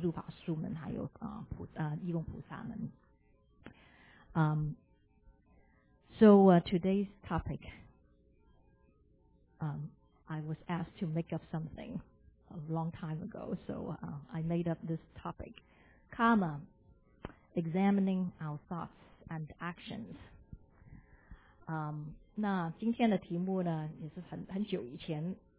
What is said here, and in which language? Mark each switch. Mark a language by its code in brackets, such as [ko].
[zh] 住持法师们，还有那个常住法师们，还有义工菩萨们。 [en] Today's topic, I was asked to make up something a long time ago, so I made up this topic, karma, examining our thoughts and actions. [zh] 那今天的题目呢，也是很久以前。